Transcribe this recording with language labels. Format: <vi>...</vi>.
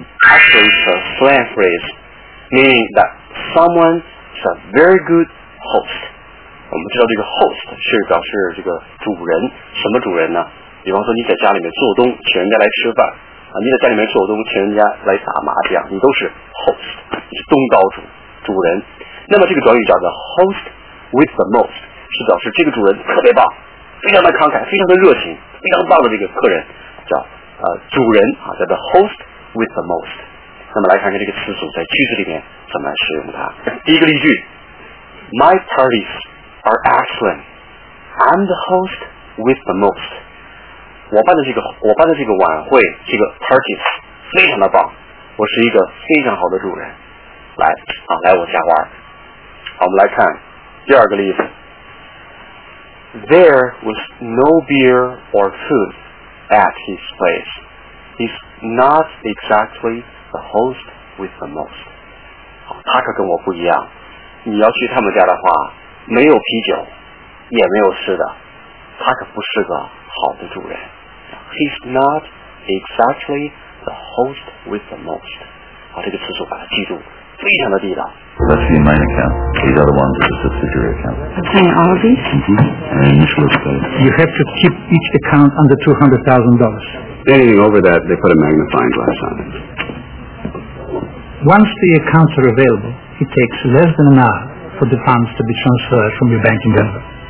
<en>actually it's a slang phrase meaning that someone is a very good host。</en> <zh>我们知道这个 host 是表示这个主人，什么主人呢？比方说你在家里面做东，请人家来吃饭啊，你在家里面做东，请人家来打麻将，你都是 host， 你是东道主，主人。那么这个短语叫</zh> <en>the host with the most，</en> <zh>是表示这个主人特别棒，非常的慷慨，非常的热情，非常棒的这个客人，叫主人啊，叫做</zh> <en>host with the most。</en> <zh>那么来看看这个词组在句子里面怎么来使用它。第一个例句</zh> <en>，My parties are excellent. I'm the host with the most.</en> <zh>我办的这个晚会，这个 parties 非常的棒，我是一个非常好的主人。来啊，来我家玩。好，我们来看第二个例子。</zh> <en>There was no beer or food at his place. He's not exactly the host with the most.</en> <zh>好，他可跟我不一样。你要去他们家的话，没有啤酒，也没有吃的。他可不是个好的主人。</zh> <en>He's not exactly the host with the most.</en> <zh>好，这个词组把它记住，非常的地道。</zh> <en>That's the main account. These are the ones with the subsidiary account. Okay, all of these? Mm-hmm. And initially, you have to keep each account under $200,000. Anything over that, they put a magnifying glass on it. Once the accounts are available, it takes less than an hour for the funds to be transferred from your bank in Denver.</en>